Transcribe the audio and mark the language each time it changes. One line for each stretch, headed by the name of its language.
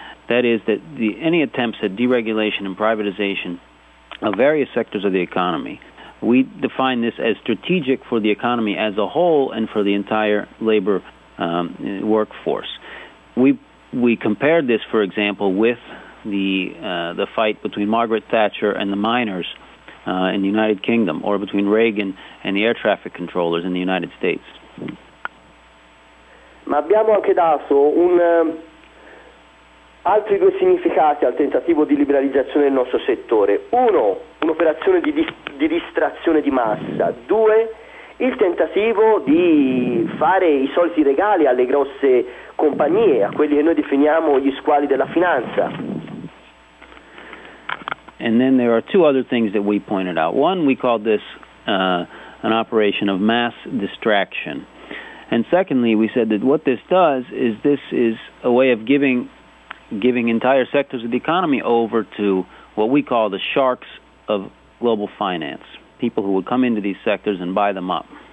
English: That is that any attempts at deregulation and privatization of various sectors of the economy, we define this as strategic for the economy as a whole and for the entire labor workforce. We compared this, for example, with the fight between Margaret Thatcher and the miners in the United Kingdom, or between Reagan and the air traffic controllers in the United States.
Italian: Ma abbiamo anche dato altri due significati al tentativo di liberalizzazione del nostro settore. Uno, un'operazione di distrazione di massa. Due, il tentativo di fare i soliti regali alle grosse compagnie, a quelli che noi definiamo gli squali della finanza.
English: And then there are two other things that we pointed out. One, we called this an operation of mass distraction. And secondly, we said that what this does is this is a way of giving entire sectors of the economy over to what we call the sharks of global finance, people who would come into these sectors and buy them up.